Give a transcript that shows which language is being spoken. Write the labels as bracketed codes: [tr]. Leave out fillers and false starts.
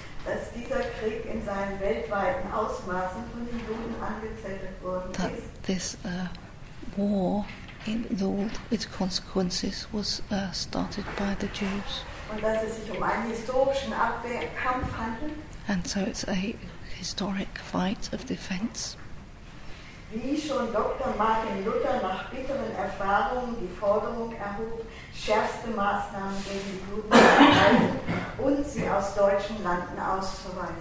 [de] dass dieser Krieg in seinen weltweiten Ausmaßen von den Juden angezettelt worden [en] that [de] ist. [en] This war in all its consequences was started by the Jews. [de] Und dass es sich um einen historischen Abwehrkampf handelt. [en] And so it's a historic fight of defense. [de] Wie schon Dr. Martin Luther nach bitteren Erfahrungen die Forderung erhob, schärfste Maßnahmen gegen die Juden zu ergreifen und sie aus deutschen Landen auszuweisen.